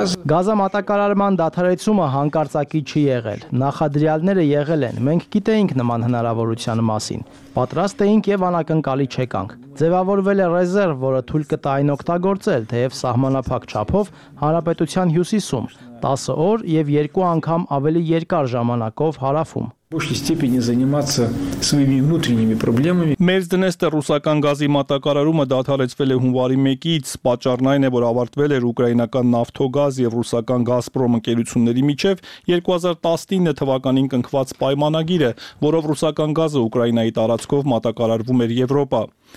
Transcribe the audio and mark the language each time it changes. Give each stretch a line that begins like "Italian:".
Armenian: Գազամատակարարման դադարեցումը հանկարծակի չի եղել։ Նախադրյալները եղել են, մենք գիտեինք նման հնարավորության մասին։ Պատրաստ էինք և անակնկալի չեկանք։ Ձևավորվել է ռեզերվ, որը թույլ կտա այն օգտագործել, թեև սահմանափակ չափով Հանրապետության հյուսիսում, 10 օր և 2 անգամ ավելի երկար ժամանակով հարավում։
Russian: Большей степени заниматься своими внутренними проблемами.
Armenian: Մերձդնեստը ռուսական գազի մատակարարումը դադարեցվել է հունվարի 1-ից, պատճառն այն է, որ ավարտվել էր ուկրաինական նավթոգազ և ռուսական Գազպրոմ ընկերությունների միջև 2019 թվականին կնքված պայմանագիրը, որով ռուսական գազը Ուկրաինայի տարածքով մատակարարվում էր Եվրոպա։